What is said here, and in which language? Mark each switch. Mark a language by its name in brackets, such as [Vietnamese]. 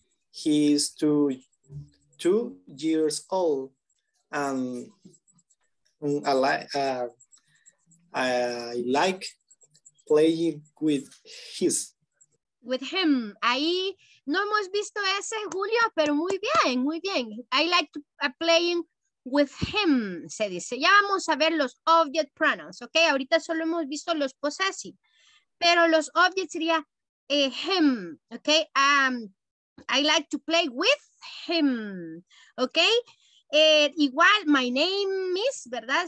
[English] He is two years old and I like playing with him. [Spanish] Ahí no hemos visto ese, Julio, pero muy bien, muy bien. [English] I like to, playing with him, [Spanish] se dice. Ya vamos a ver los object pronouns, ¿ok? Ahorita solo hemos visto los possessive, pero los object sería him, ¿ok? [English] I like to play with him, ¿ok? [Spanish] Igual, [English] my name is, [Spanish] ¿verdad?